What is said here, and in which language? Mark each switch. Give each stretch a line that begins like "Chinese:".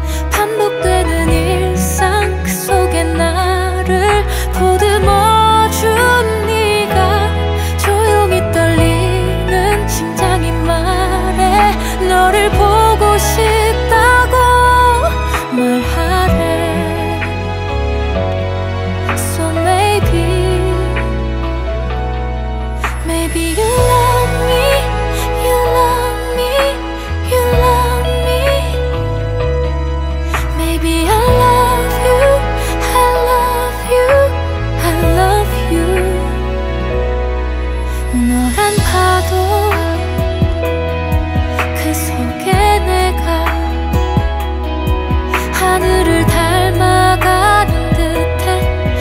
Korean: 반복되는 일상 그 속에 나를 보듬어준 네가 조용히 떨리는 심장이 말해. 너를 보고 싶다고 말하래.
English: So maybe maybe you love me, you love me, you love me. Maybe I love you, I love you, I love you.
Korean: 노란 파도 그 속에 내가 하늘을 닮아가는 듯해.